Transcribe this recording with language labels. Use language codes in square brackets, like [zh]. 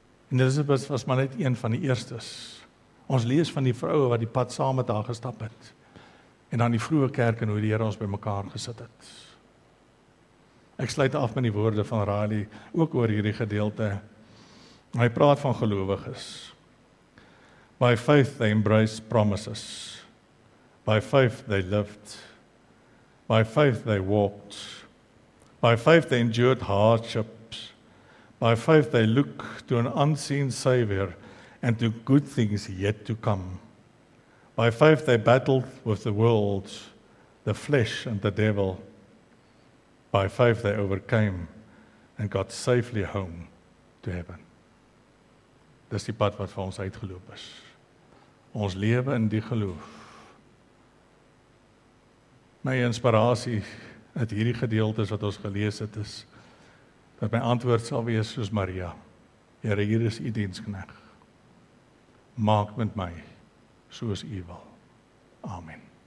[af] En dit was maar net een van die eerstes. Ons lees van die vroue wat die pad saam met haar gestap het. En aan die vroeë kerk en hoe die Here ons by mekaar gesit het. Ek sluit af met die woorde van Riley, ook oor hierdie gedeelte. Hy praat van gelowiges. [en] By faith they embrace promises. By faith they lived. By faith they walked. By faith they endured hardships. By faith they look to an unseen Savior and to good things yet to come. By faith they battled with the world, the flesh and the devil. By faith they overcame and got safely home to heaven. [af] Dis die pad wat vir ons uitgeloop is. Ons lewe in die geloof. My inspirasie uit hierdie gedeeltes wat ons gelees het is, dat my antwoord sal wees soos Maria. Here, hier is U dienskneg. Maak met my soos U wil. Amen.